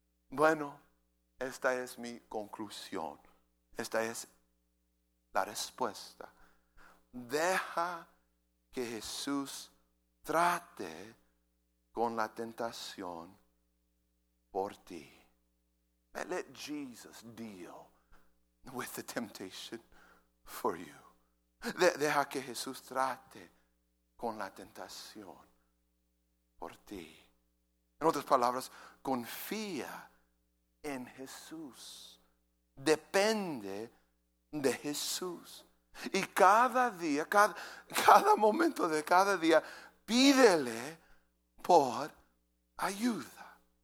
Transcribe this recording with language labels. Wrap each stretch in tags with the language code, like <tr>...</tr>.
<es>Bueno, esta es mi conclusión. Esta es la respuesta. Deja que Jesús trate con la tentación por ti.</es> <en>Let Jesus deal with the temptation for you.</en> <es>Deja que Jesús trate con la tentación por ti. En otras palabras, confía en Jesús. Depende de Jesús. Y cada día, cada momento de cada día, pídele por ayuda.</es>